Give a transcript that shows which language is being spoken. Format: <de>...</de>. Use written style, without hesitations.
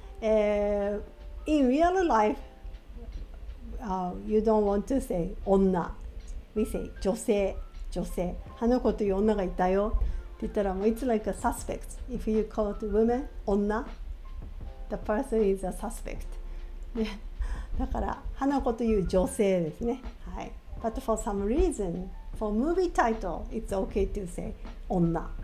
<en>In real life, you don't want to say 女。 We say</en> <ja>女性、女性、花子という女がいたよって言ったら、もう</ja> <en>It's like a suspect. If you call it a woman, 女、the person is a suspect.</en> <ja>ね、だから花子という女性ですね。はい。</ja> <en>But for some reason, for movie title, it's okay to say 女。</en>